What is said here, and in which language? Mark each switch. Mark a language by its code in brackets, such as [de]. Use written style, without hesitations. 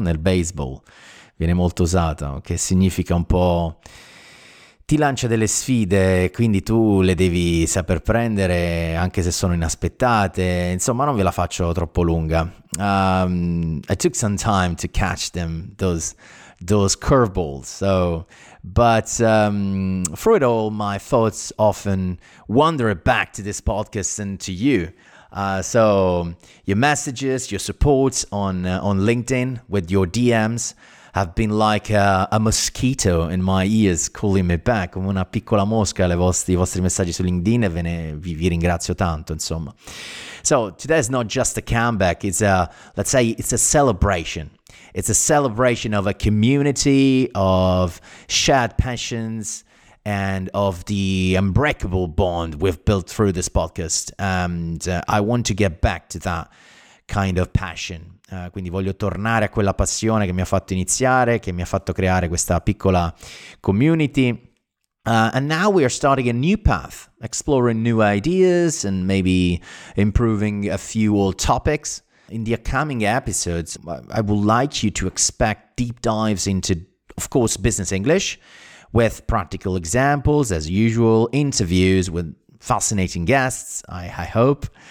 [it] Nel baseball viene molto usata, che significa un po'. Ti lancia delle sfide, quindi tu le devi saper prendere, anche se sono inaspettate. Insomma, non ve la faccio troppo lunga. [en] I took some time to catch them, those curveballs. So, but through it all, my thoughts often wander back to this podcast and to you. So, your messages, your support on LinkedIn with your DMs, have been like a mosquito in my ears calling me back, [it] come una piccola mosca alle i vostri messaggi su LinkedIn, e vi ringrazio tanto, insomma. [en] So today's not just a comeback, it's a celebration. It's a celebration of a community, of shared passions, and of the unbreakable bond we've built through this podcast. And I want to get back to that kind of passion. [it] Quindi voglio tornare a quella passione che mi ha fatto iniziare, che mi ha fatto creare questa piccola community. [en] And now we are starting a new path, exploring new ideas and maybe improving a few old topics. In the upcoming episodes, I would like you to expect deep dives into, of course, business English with practical examples, as usual, interviews with fascinating guests, I hope.